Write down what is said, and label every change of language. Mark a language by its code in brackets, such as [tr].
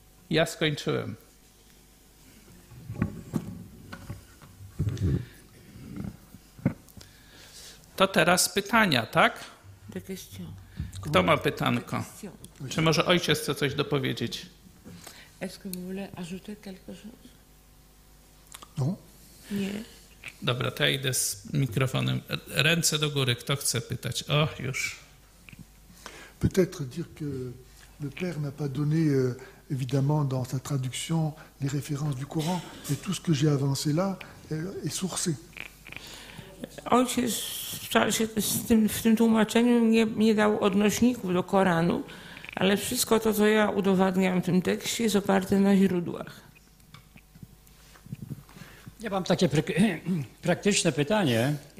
[pl] Ja skończyłem. To teraz pytania, tak? Kto ma pytanko? Czy może ojciec chce coś dopowiedzieć? [fr] Est-ce que vous voulez ajouter quelque chose? Non. [pl] Nie. Dobra, to ja idę z mikrofonem. Ręce do góry, kto chce pytać? O, już. [fr] Peut-être dire que le père n'a pas donné évidemment dans sa traduction les références du Coran, mais tout ce que j'ai avancé là est sourcé. [pl] Ojciec w tym tłumaczeniu nie dał odnośników do Koranu. Ale wszystko to, co ja udowadniam w tym tekście, jest oparte na źródłach. Ja mam takie praktyczne pytanie.